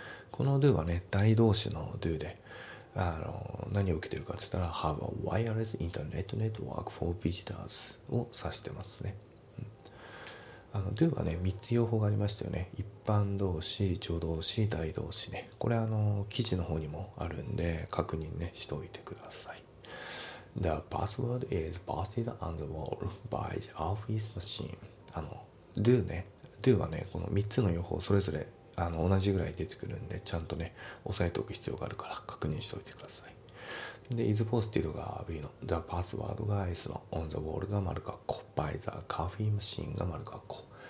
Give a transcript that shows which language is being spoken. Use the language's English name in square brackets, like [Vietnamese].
[Japanese] この Do はね大動詞の Do で、何を受けてるかって言ったら [English] Have a wireless internet network for visitors [Japanese] を指してますね、うん、Do はね3つ用法がありましたよね。一般動詞、助動詞、代動詞ね。これ記事の方にもあるんで確認ねしておいてください。 [English] The password is posted on the wall by the office machine。 [Japanese] Do ね、 Do はねこの3つの用法それぞれ同じぐらい出てくるんでちゃんとね押さえておく必要があるから確認しておいてください。で [English] is posted [Japanese] が B の [English] the password [Japanese] が S の [English] on the wall [Japanese] が丸括弧 [English] by the coffee machine [Japanese] が丸括弧。